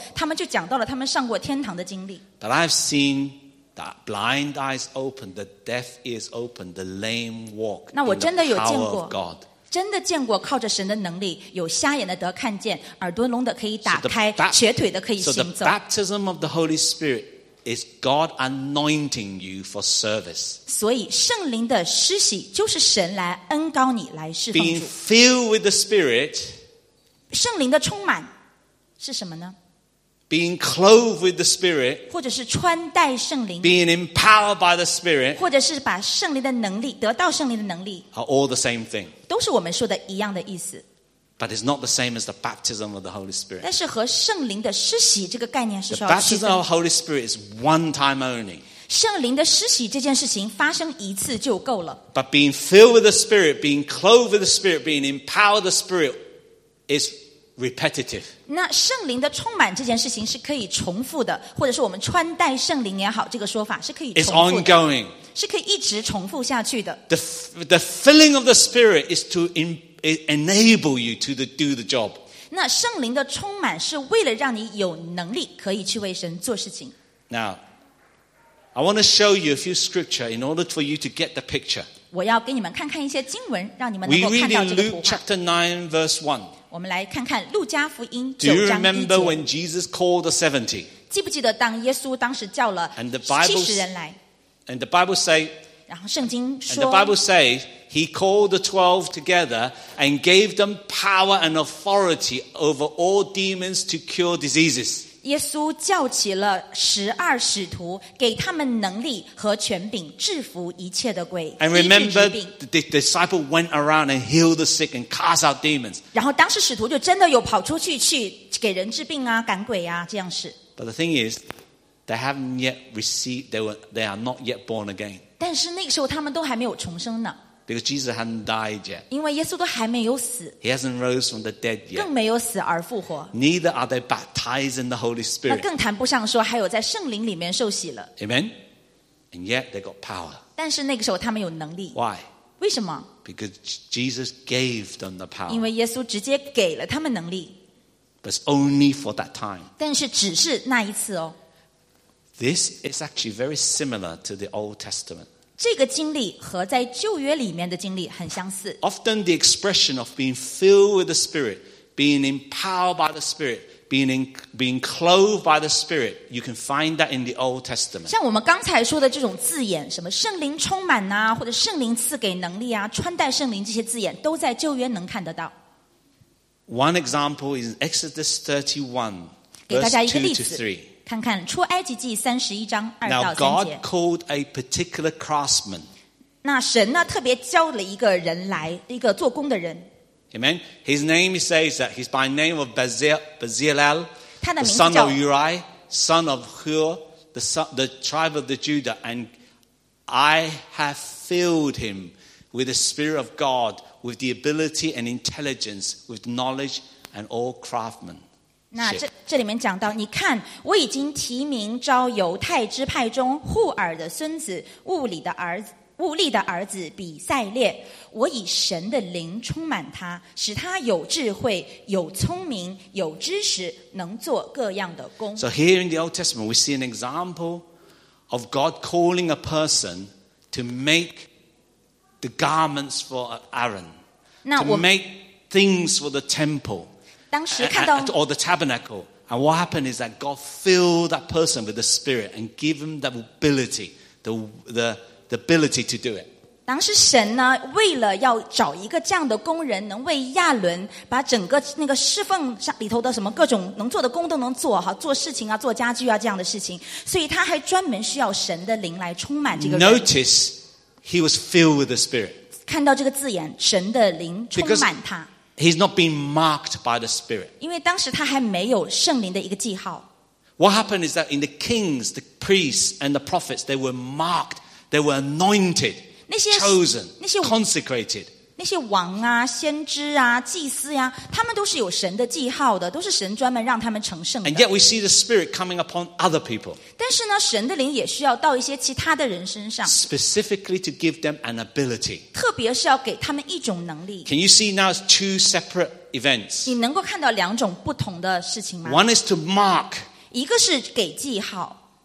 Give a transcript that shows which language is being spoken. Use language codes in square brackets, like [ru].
[zh] 那我们确确实实有经历过的是，我们教会有人可能昏迷了很长一段时间，可是等他们醒来了以后，他们就讲到了他们上过天堂的经历。 [en] But I've seen the blind eyes open, the deaf ears open, the lame walk. [zh] 那我真的有见过。真的见过靠着神的能力，有瞎眼的得看见，耳朵聋的可以打开，瘸腿的可以行走。 [en] So the baptism of the Holy Spirit is God anointing you for service. [zh] 所以圣灵的施洗就是神来恩膏你来侍奉主。 [en] Being filled with the Spirit, [zh] 圣灵的充满是什么呢？ [en] Being clothed with the Spirit, [zh] 或者是穿戴圣灵, [en] being empowered by the Spirit, [zh] 或者是把圣灵的能力, 得到圣灵的能力, [en] are all the same thing. [zh] 都是我们说的一样的意思。 [en] But it's not the same as the baptism of the Holy Spirit. [zh] 但是和圣灵的施洗这个概念是需要区分。 [en] The baptism of the Holy Spirit is one time only. [zh] 圣灵的施洗这件事情发生一次就够了。 [en] But being filled with the Spirit, being clothed with the Spirit, being empowered with the Spirit is repetitive. [zh] 那圣灵的充满这件事情是可以重复的，或者是我们穿戴圣灵也好，这个说法是可以重复的。 [en] It's ongoing. [zh] 是可以一直重复下去的。 [en] The filling of the Spirit is to enable you to do the job. [zh] 那圣灵的充满是为了让你有能力可以去为神做事情。 [en] Now, I want to show you a few scripture in order for you to get the picture. [zh] 我要给你们看看一些经文，让你们能够看到这个图画。 [en] We read in Luke chapter 9 verse 1. [zh] 我们来看看《路加福音》 [en] Do you remember when Jesus called the 70? [zh] 记不记得当耶稣当时叫了七十人来？ [en] And the Bible say, [zh] 然后圣经说 [en] And the Bible say, he called the 12 together and gave them power and authority over all demons to cure diseases. [zh] 耶稣叫起了十二使徒，给他们能力和权柄制服一切的鬼。 [en] And remember, the disciple went around and healed the sick and cast out demons. [zh] 然后当时使徒就真的有跑出去去给人治病啊，赶鬼啊，这样是。 [en] But the thing is, they haven't yet received. They are not yet born again. [zh] 但是那个时候他们都还没有重生呢。 [en] Because Jesus hadn't died yet. [zh] 因为耶稣都还没有死。 [en] He hasn't rose from the dead yet. [zh] 更没有死而复活。 [en] Neither are they baptized in the Holy Spirit. [zh] 那更谈不上说还有在圣灵里面受洗了。 [en] Amen. And yet they got power. [zh] 但是那个时候他们有能力。 [en] Why? [zh] 为什么? [en] Because Jesus gave them the power. [zh] 因为耶稣直接给了他们能力。 [en] But it's only for that time. [zh] 但是只是那一次哦。 [en] This is actually very similar to the Old Testament. [zh] 这个经历和在旧约里面的经历很相似。 [en] Often the expression of being filled with the Spirit, being empowered by the Spirit, being clothed by the Spirit, you can find that in the Old Testament. [zh] 像我们刚才说的这种字眼，什么圣灵充满啊，或者圣灵赐给能力啊，穿戴圣灵这些字眼，都在旧约能看得到。 [en] One example is Exodus 31, verse 2 to 3. [zh] 看看出埃及记三十一章二到三节。 [en] Now God called a particular craftsman. [zh] 那神呢特别叫了一个人来，一个做工的人。 [en] Amen. His name, he says that he's by name of Bezalel, the son of Uri, son of Hur, the tribe of the Judah, and I have filled him with the Spirit of God, with the ability and intelligence, with knowledge and all craftsmen. [zh] 那 这里面讲到你看我已经提名招犹太支派中户尔的孙子物利的儿子比赛列我以神的灵充满他使他有智慧有聪明有知识能做各样的工 [en] So here in the Old Testament we see an example of God calling a person to make the garments for Aaron to make things for the temple or the tabernacle. And what happened is that God filled that person with the Spirit and gave him the ability to do it. [zh] 当时神呢为了要找一个这样的工人能为亚伦把整个那个侍奉里头的什么各种能做的工都能做做事情啊做家具啊这样的事情所以他还专门需要神的灵来充满这个人。 [en] Notice he was filled with the Spirit. [zh] 看到这个字眼神的灵充满他。 [en] He's not being marked by the Spirit. [zh] 因为当时他还没有圣灵的一个记号。 [en] What happened is that in the kings, the priests, and the prophets, they were marked, they were anointed, chosen, consecrated. [zh] 那些王啊、先知啊、祭司啊，他们都是有神的记号的，都是神专门让他们成圣的。 [en] And yet we see the Spirit coming upon other people. [zh] 但是呢，神的灵也需要到一些其他的人身上。 [en] Specifically to give them an ability. [zh] 特别是要给他们一种能力。 [en] Can you see now two separate events? [zh] 你能够看到两种不同的事情吗 [en] ？One is to mark. [zh] 一个是给记号。